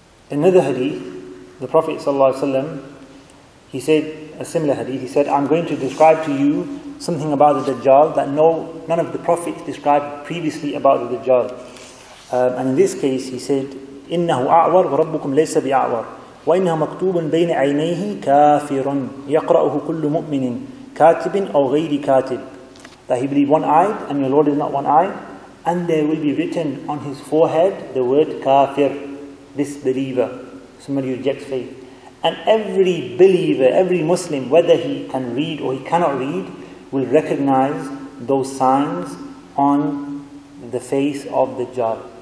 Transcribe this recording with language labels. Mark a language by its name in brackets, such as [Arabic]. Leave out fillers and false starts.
[English] Another hadith, the Prophet sallallahu alaihi wasallam, he said, a similar hadith, he said, I'm going to describe to you something about the Dajjal that none of the prophets described previously about the Dajjal. And in this case, he said, [Arabic] إِنَّهُ أَعْوَرُ وَرَبُّكُمْ لَيْسَ بِأَعْوَرُ وَإِنَّهُ مَكْتُوبٌ بَيْنَ عَيْنَيْهِ كَافِرٌ يَقْرَأُهُ كُلُّ مُؤْمِنٍ كَاتِبٍ أَوْ غَيْرِ كَاتِبٍ. [English] That he believed one eyed and your Lord is not one eyed, and there will be written on his forehead the word kafir, disbeliever, somebody who rejects faith. And every believer, every Muslim, whether he can read or he cannot read, will recognize those signs on the face of the Dajjal.